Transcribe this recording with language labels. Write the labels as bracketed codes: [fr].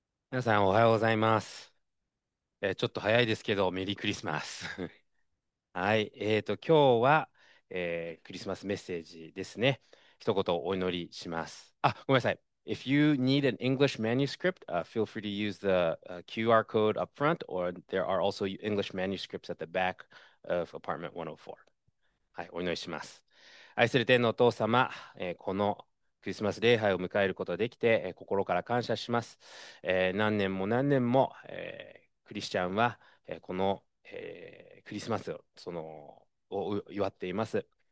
[ja] 皆さんおはようございます。ちょっと早いですけど、メリークリスマス。はい、今日は、クリスマスメッセージですね。一言お祈りします。あ、ごめんなさい。 [en] If you need an English manuscript, feel free to use the, QR code up front, or there are also English manuscripts at the back of apartment 104. [ja] はい、お祈りします。愛する天のお父様、このクリスマス礼拝を迎えることができて、心から感謝します。何年も何年も、クリスチャンは、この、クリスマスを祝っています。